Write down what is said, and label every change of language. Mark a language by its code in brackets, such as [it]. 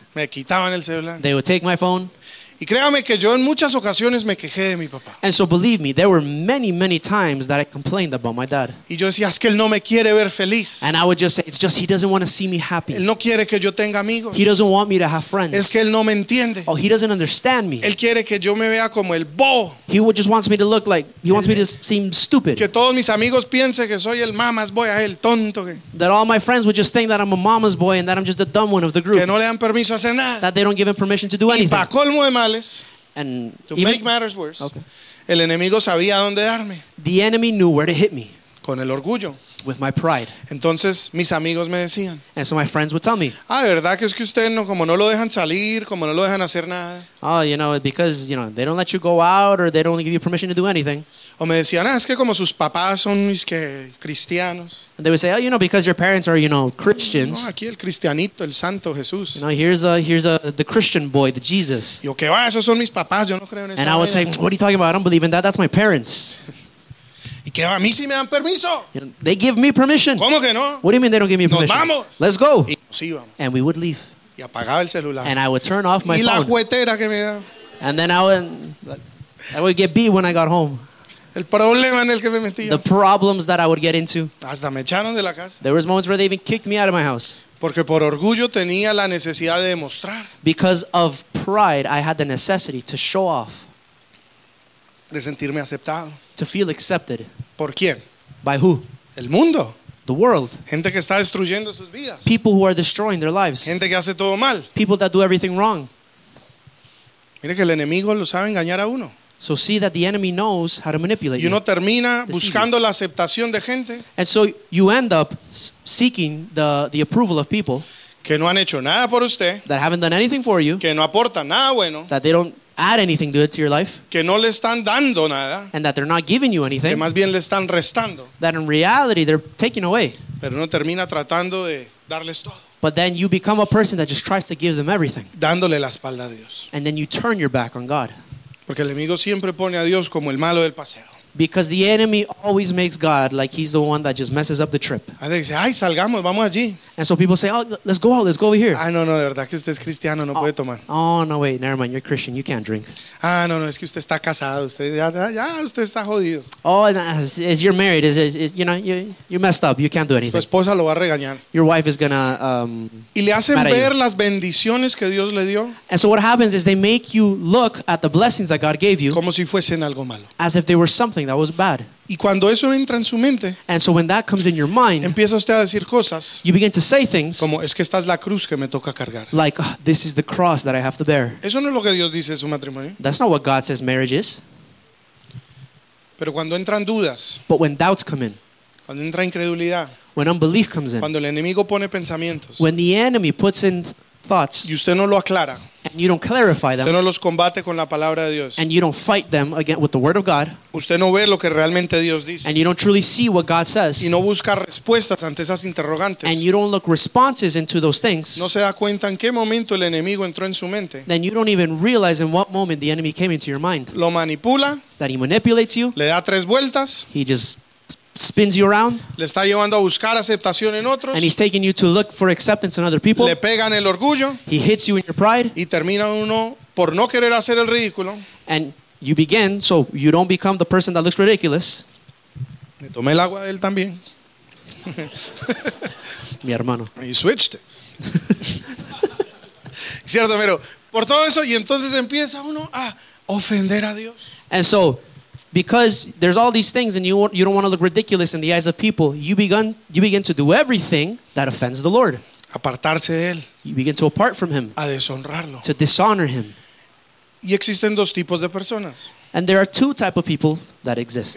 [es] Me quitaban el celular. [en] They would take my phone. [es] Y créame que yo en muchas ocasiones me quejé de mi papá. [en] And so believe me, there were many, many times that I complained about my dad. [es] Y yo decía, es que él no me quiere ver feliz. [en] And I would just say, it's just he doesn't want to see me happy. [es] Él no quiere que yo tenga amigos. [en] He doesn't want me to have friends. [es] Es que él no me entiende. [en] Oh, he doesn't understand me. [es] Él quiere que yo me vea como el bobo. [en] He would just wants me to look like, he wants me to seem stupid. [es] Que todos mis amigos piensen que soy el [en] mamas boy, [es] el tonto. [en] That all my friends would just think that I'm a mama's boy and that I'm just the dumb one of the group. [es] Que no le dan permiso a hacer nada. [en] That they don't give him permission to do anything. [es] Y pa' colmo de males, [en] and to make matters worse, [es] el enemigo sabía dónde darme. [en] The enemy knew where to hit me. [es] Con el orgullo. [en] With my pride. [es] Entonces, mis amigos me decían, [en] and so my friends would tell me, [es] ah, ¿verdad que es que usted no, como no lo dejan salir, como no lo dejan hacer nada? [en] Oh, you know, because, you know, they don't let you go out or they don't give you permission to do anything. [es] O me decían, ah, es que como sus papás son mis que cristianos. [en] And they would say, oh, you know, because your parents are, you know, Christians. [es] No, aquí el cristianito, el santo Jesús. [en] You know, here's the Christian boy, the Jesus. [es] Yo, que va, esos son mis papás, yo no creo en eso. [en] And I would say, what are you talking about? I don't believe in that, that's my parents. [es] Y que a mí sí me dan permiso. [en] They give me permission. [es] ¿Cómo que no? [en] What do you mean they don't give me permission? [es] Nos vamos. [en] Let's go. [es] Y nos íbamos. [en] And we would leave. [es] Y apagaba el celular. [en] And I would turn off my [es] y [en] phone. [es] Y la juguetera que me da. [en] And then I would get beat when I got home. [es] El problema en el que me metía. [en] The problems that I would get into. [es] Hasta me echaron de la casa. [en] There was moments where they even kicked me out of my house. [es] Porque por orgullo tenía la necesidad de demostrar. [en] Because of pride, I had the necessity to show off. [es] De sentirme aceptado. [en] To feel accepted. [es] ¿Por quién? [en] By who? [es] El mundo. [en] The world. [es] Gente que está destruyendo sus vidas. [en] People who are destroying their lives. [es] Gente que hace todo mal. [en] People that do everything wrong. [es] Mire que el enemigo lo sabe engañar a uno. [en] So see that the enemy knows how to manipulate you. [es] Y uno termina buscando la aceptación de gente. [en] And so you end up seeking the approval of people. [es] Que no han hecho nada por usted. [en] That haven't done anything for you. [es] Que no aportan nada bueno. [en] That they don't add anything good to your life. [es] Que no le están dando nada. [en] And that they're not giving you anything. [es] Que más bien le están restando. [en] That in reality they're taking away. [es] Pero uno termina tratando de darles todo. [en] But then you become a person that just tries to give them everything. [es] Dándole la espalda a Dios. [en] And then you turn your back on God. [es] Porque el enemigo siempre pone a Dios como el malo del paseo. [en] Because the enemy always makes God like he's the one that just messes up the trip. [es] Ay, salgamos, vamos allí. [en] And so people say, oh, let's go out, let's go over here. [es] Ay, no, no, de verdad que usted es cristiano, no puede tomar. [en] Oh, no, wait, never mind, you're Christian, you can't drink. [es] Ah, no, no, es que usted está casado, usted ya usted está jodido. [en] Oh, as you're married, is, you know, you messed up, you can't do anything. [es] Su esposa lo va a regañar. [en] Your wife is gonna [es] y le hacen ver las bendiciones que Dios le dio. [en] And so what happens is they make you look at the blessings that God gave you. [es] Como si fuesen algo malo. [en] As if they were something that was bad. [es] Y cuando eso entra en su mente, [en] and so when that comes in your mind, [es] empieza usted a decir cosas, [en] you begin to say things [es] como, es que esta es la cruz que me toca cargar. [en] Like, oh, this is the cross that I have to bear. [es] Eso no es lo que Dios dice de su matrimonio. [en] That's not what God says marriage is. [es] Pero cuando entran dudas, [en] but when doubts come in, [es] cuando entra incredulidad, [en] when unbelief comes in, [es] cuando el enemigo pone pensamientos, [en] when the enemy puts in thoughts, [es] y usted no lo aclara, [en] and you don't clarify them, [es] usted no los combate con la palabra de Dios, [en] and you don't fight them again with the word of God, [es] usted no ve lo que realmente Dios dice, [en] and you don't truly see what God says, [es] y no busca respuestas ante esas interrogantes, [en] and you don't look responses into those things, [es] no se da cuenta en qué momento el enemigo entró en su mente, [en] then you don't even realize in what moment the enemy came into your mind. [es] Lo manipula, [en] that he manipulates you, [es] le da tres vueltas, [en] he just spins you around, [es] le está llevando a buscar aceptación en otros, [en] and he's taking you to look for acceptance in other people. [es] Le pegan el orgullo, [en] he hits you in your pride, [es] y termina uno por no querer hacer el ridículo, [en] and you begin, so you don't become the person that looks ridiculous. [es] Me tomé el agua de él también. Mi hermano. [en] He switched. [es] Cierto, pero por todo eso, y entonces empieza uno a ofender a Dios. [en] And so, because there's all these things and you don't want to look ridiculous in the eyes of people, you begin to do everything that offends the Lord. [es] Apartarse de él. [en] You begin to apart from him. [es] A deshonrarlo. [en] To dishonor him. [es] Y existen dos tipos de personas. [en] And there are two type of people that exist.